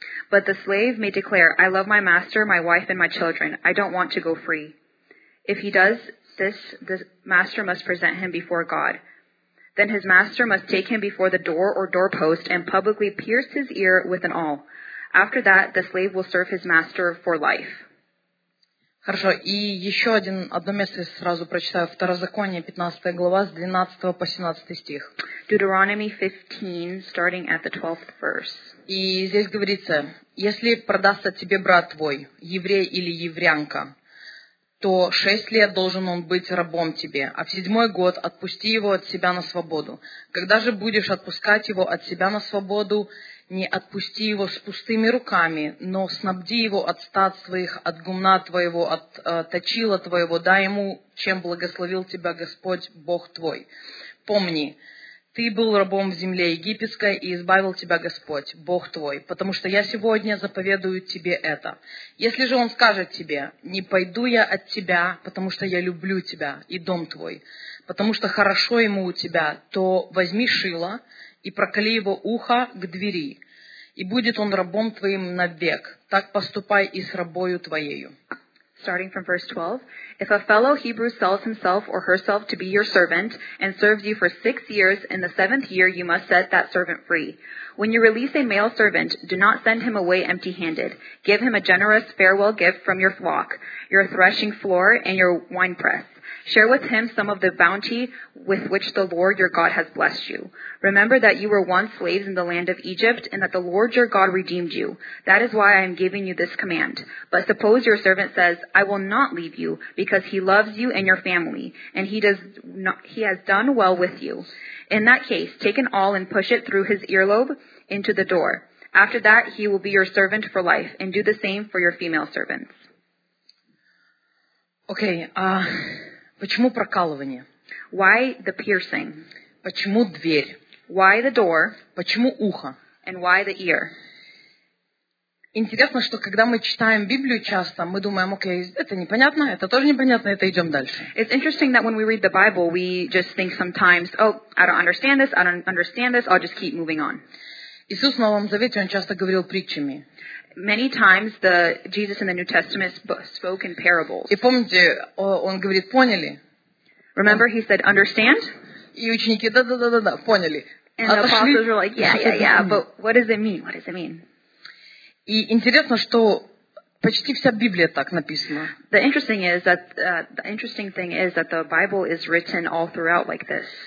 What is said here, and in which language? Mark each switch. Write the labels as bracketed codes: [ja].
[en] But the slave may declare, I love my master, my wife, and my children. I don't want to go free. If he does this, the master must present him before God. Then his master must take him before the door or doorpost and publicly pierce his ear with an awl. After that, the slave will serve his master for life. [ru] Хорошо, и еще одно место сразу прочитаю. Второзаконие, 15 глава, с 12 по 17 стих. [en] Deuteronomy 15, starting at the 12th verse. [ru] И здесь говорится, если продастся тебе брат твой, еврей или еврянка, то 6 лет должен он быть рабом тебе, а в 7-й год отпусти его от себя на свободу. Когда же будешь отпускать его от себя на свободу, не отпусти его с пустыми руками, но снабди его от стад своих, от гумна твоего, от точила твоего, дай ему, чем благословил тебя Господь, Бог твой. Помни, ты был рабом в земле египетской, и избавил тебя Господь, Бог твой, потому что я сегодня заповедую тебе это. Если же он скажет тебе, не пойду я от тебя, потому что я люблю тебя и дом твой, потому что хорошо ему у тебя, то возьми шило, и проколи его ухо к двери, и будет он рабом твоим навек. Так поступай и с рабою твоею. [en] Starting from verse 12, if a fellow Hebrew sells himself or herself to be your servant and serves you for 6 years, in the 7th year you must set that servant free. When you release a male servant, do not send him away empty-handed. Give him a generous farewell gift from your flock, your threshing floor, and your winepress. Share with him some of the bounty with which the Lord your God has blessed you. Remember that you were once slaves in the land of Egypt and that the Lord your God redeemed you. That is why I am giving you this command. But suppose your servant says, I will not leave you because he loves you and your family and he has done well with you. In that case, take an awl and push it through his earlobe into the door. After that, he will be your servant for life and do the same for your female servants. [ru] Okay, Почему прокалывание? [en] Why the piercing? [ru] Почему дверь? [en] Why the door? [ru] Почему ухо? [en] And why the ear? [ru] Интересно, что когда мы читаем Библию часто, мы думаем, окей, это непонятно, это тоже непонятно, это идем дальше. [en] It's interesting that when we read the Bible, we just think sometimes, oh, I don't understand this, I'll just keep moving on. [ru] Иисус в Новом Завете, Он часто говорил притчами. [en] Many times the Jesus in the New Testament spoke in parables. [ru] И помните, он говорит, поняли? [en] Remember, he said, understand? [ru] И ученики, да-да-да-да, поняли. [en] And [ru] отошли. [en] The apostles were like, yeah, but what does it mean? [ru] И интересно, что почти вся Библия так написана. [en] The interesting thing is that the Bible is written all throughout like this.